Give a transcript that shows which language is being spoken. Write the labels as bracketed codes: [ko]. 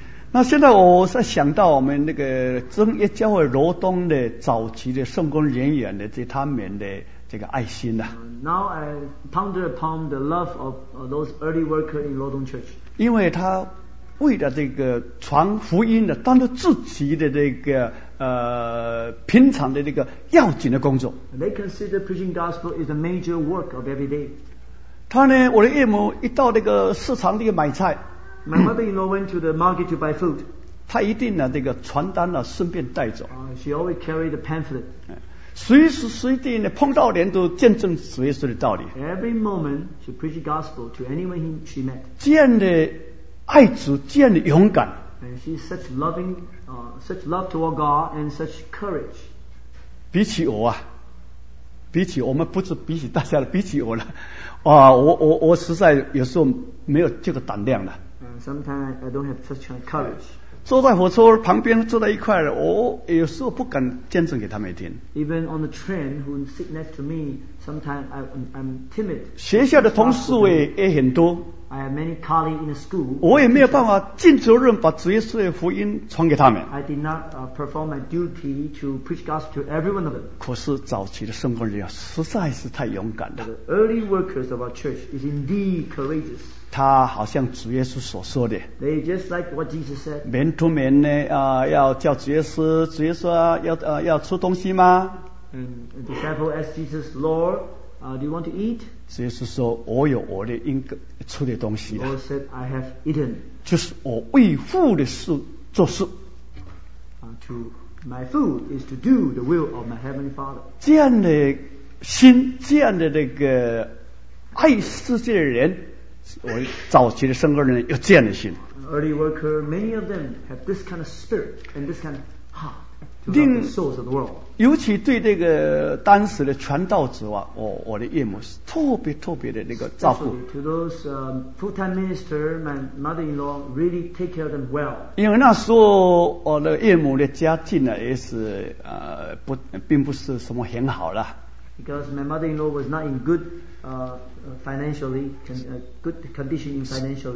[zh] 那现在我在想到我们那个真耶教会罗东的早期的圣工人员的这他们的这个爱心呢 [en] ？Now I ponder upon the love of those early workers in Luodong Church. [zh] 因为他。为了这个传福音的，当着自己的这个平常的这个要紧的工作。 [en] They consider preaching gospel is a major work of every day. [zh] 他呢，我的岳母一到那个市场里买菜。 [en] My mother-in-law went to the market to buy food. [zh] 他一定呢，这个传单呢，顺便带走。 [en] She always carried a pamphlet. [zh] 随时随地呢，碰到人都见证主耶稣的道理。 [en] Every moment she preached gospel to anyone she met. [zh] 这样的。爱主这样的勇敢 [en] and she's such loving, such love toward God and such courage. [zh] 比起我啊，比起我们不是比起大家了，比起我了，我实在有时候没有这个胆量了。 [en] Sometimes I don't have such courage. [zh] 坐在火车旁边坐在一块了，我有时候不敢见证给他们听。 [en] Even on the train, who sit next to me, Sometimes I'm timid. [zh] 学校的同事也很多。 [en] I have many colleagues in the school. [zh] 我也没有办法尽责任把主耶稣的福音传给他们。 [en] I did not perform my duty to preach gospel to every one of them. [zh] 可是早期的圣工人员实在是太勇敢了。 [en] The early workers of our church is indeed courageous. [zh] 他好像主耶稣所说的。 [en] They just like what Jesus said. [zh] 门徒们呢？要叫主耶稣、要出东西吗？ [en] And the disciple asked Jesus, Lord, do you want to eat? [zh] 主耶稣说，我有我的应该出的东西。 [en] Lord said, I have eaten. [zh] 就是我为父的事做事。 [en] To my food is to do the will of my heavenly Father. [zh] 这样的心，这样的那个爱世界的人，我早期的圣工人有这样的心。 [en] Early worker, many of them have this kind of spirit and this kind of heart. To the souls of the world. [zh] 尤其对这个当时的传道者啊，我的岳母是特别特别的那个照顾。 [en] To those full-time minister, my mother-in-law really take care of them well. [zh] 因为那时候我的岳母的家境呢，也是并不是什么很好了。 [en] Because my mother-in-law was not in good financially good condition in financially.